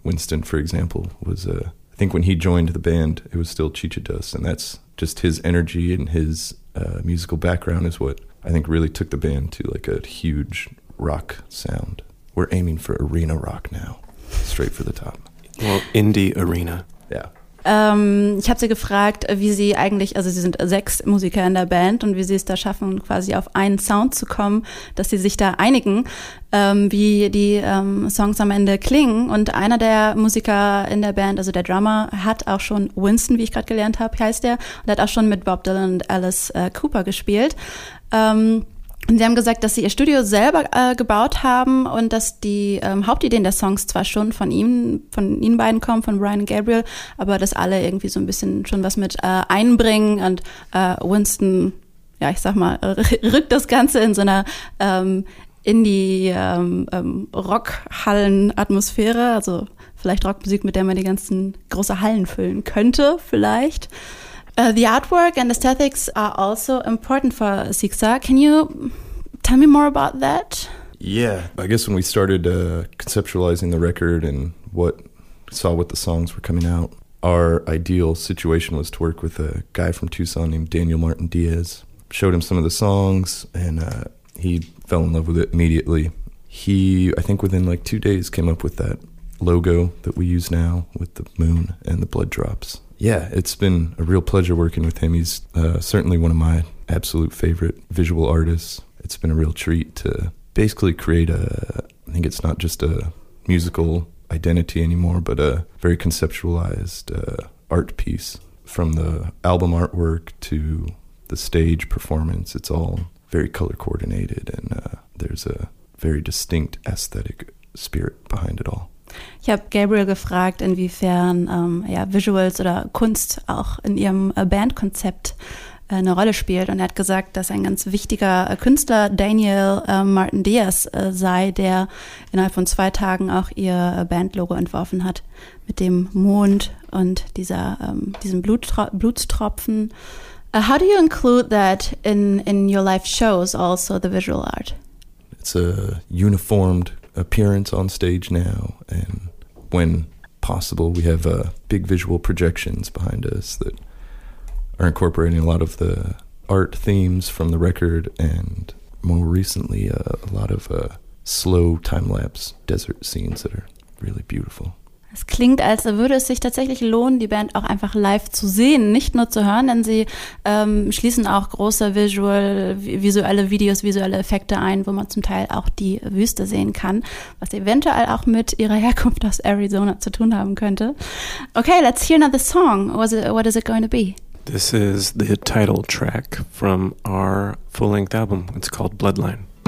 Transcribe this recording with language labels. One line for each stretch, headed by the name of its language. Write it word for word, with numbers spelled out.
English: Winston, for example, was a uh, I think when he joined the band, it was still Chicha Dust, and that's just his energy and his uh, musical background is what I think really took the band to like a huge rock sound. We're aiming for arena rock now, straight for the top. Well, indie arena. Yeah.
German: Ähm, ich habe sie gefragt, wie sie eigentlich, also sie sind sechs Musiker in der Band, und wie sie es da schaffen, quasi auf einen Sound zu kommen, dass sie sich da einigen, ähm, wie die ähm, Songs am Ende klingen. Und einer der Musiker in der Band, also der Drummer, hat auch schon Winston, wie ich gerade gelernt habe, heißt der, und hat auch schon mit Bob Dylan und Alice äh, Cooper gespielt. Ähm, Und sie haben gesagt, dass sie ihr Studio selber äh, gebaut haben und dass die ähm, Hauptideen der Songs zwar schon von ihm, von ihnen beiden kommen, von Brian und Gabriel, aber dass alle irgendwie so ein bisschen schon was mit äh, einbringen, und äh, Winston, ja, ich sag mal, r- rückt das Ganze in so einer ähm, Indie-Rockhallen-Atmosphäre, ähm, ähm, also vielleicht Rockmusik, mit der man die ganzen große Hallen füllen könnte, vielleicht.
English: Uh, the artwork and aesthetics are also important for Sixa. Can you tell me more about that? Yeah. I guess when we started uh, conceptualizing the record and what saw what the songs were coming out, our ideal situation was to work with a guy from Tucson named Daniel Martin Diaz. Showed him some of the songs, and uh, he fell in love with it immediately. He, I think within like two days, came up with that logo that we use now with the moon and the blood drops. Yeah, it's been a real pleasure working with him. He's uh, certainly one of my absolute favorite visual artists. It's been a real treat to basically create a, I think it's not just a musical identity anymore, but a very conceptualized uh, art piece. From the album artwork to the stage performance, it's all very color coordinated, and uh, there's a very distinct aesthetic spirit behind it all.
German: Ich habe Gabriel gefragt, inwiefern ähm, ja, Visuals oder Kunst auch in ihrem äh, Bandkonzept äh, eine Rolle spielt. Und er hat gesagt, dass ein ganz wichtiger äh, Künstler Daniel äh, Martin Diaz äh, sei, der innerhalb von zwei Tagen auch ihr äh, Bandlogo entworfen hat. Mit dem Mond und dieser, ähm, diesem Blutro- Blutstropfen.
English: Uh, how do you include that in, in your live shows, also the visual art? It's a uniformed appearance on stage now, and when possible we have uh, big visual projections behind us that are incorporating a lot of the art themes from the record, and more recently uh, a lot of uh, slow time-lapse desert scenes that are really beautiful.
German: Es klingt, als würde es sich tatsächlich lohnen, die Band auch einfach live zu sehen, nicht nur zu hören, denn sie ähm, schließen auch große visual, visuelle Videos, visuelle Effekte ein, wo man zum Teil auch die Wüste sehen kann, was eventuell auch mit ihrer Herkunft aus Arizona zu tun haben könnte.
English: Okay, let's hear another song. What is it, what is it going to be? This is the title track from our full-length album. It's called Bloodline.